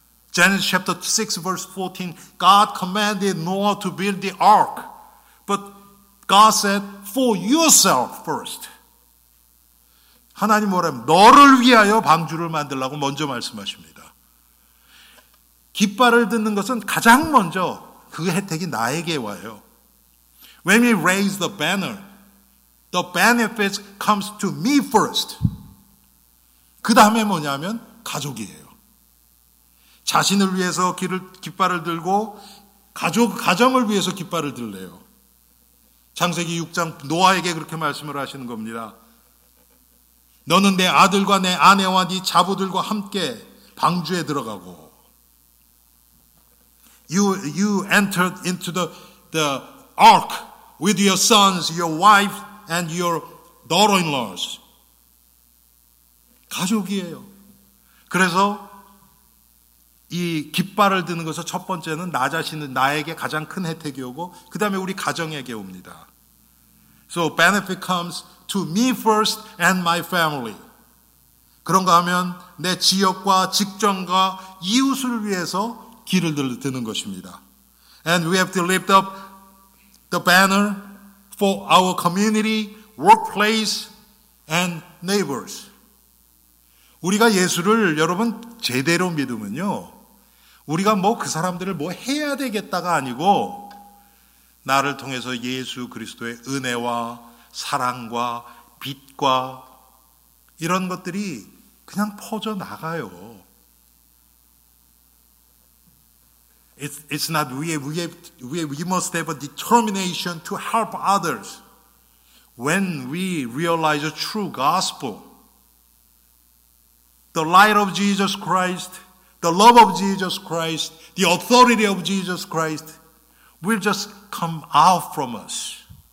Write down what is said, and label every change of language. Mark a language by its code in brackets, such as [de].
[en] Genesis chapter 6 verse 14, God commanded Noah to build the ark, but God said, for yourself first. [ko] 하나님 뭐라며, 너를 위하여 방주를 만들라고 먼저 말씀하십니다. 깃발을 듣는 것은 가장 먼저 그 혜택이 나에게 와요. [en] When we raise the benefits comes to me first. [ko] 그 다음에 뭐냐면 가족이에요. 자신을 위해서 깃발을 들고 가정을 위해서 깃발을 들래요. 창세기 6장 노아에게 그렇게 말씀을 하시는 겁니다. 너는 내 아들과 내 아내와 네 자부들과 함께 방주에 들어가고 [en] you entered into the ark with your sons, your wife and your daughter-in-laws. [ko] 가족이에요. 그래서 이 깃발을 드는 것은 첫 번째는 나 자신은 나에게 가장 큰 혜택이 오고 그 다음에 우리 가정에게 옵니다. [en] So benefit comes to me first and my family. [ko] 그런가 하면 내 지역과 직장과 이웃을 위해서 길을 드는 것입니다. [en] And we have to lift up the banner for our community, workplace and neighbors. [ko] 우리가 예수를 여러분 제대로 믿으면요. 우리가 뭐 그 사람들을 뭐 해야 되겠다가 아니고 나를 통해서 예수 그리스도의 은혜와 사랑과 빛과 이런 것들이 그냥 퍼져 나가요. [en] It's not we must have a determination to help others. When we realize a true gospel, the light of Jesus Christ, the love of Jesus Christ, the authority of Jesus Christ will just come out from us.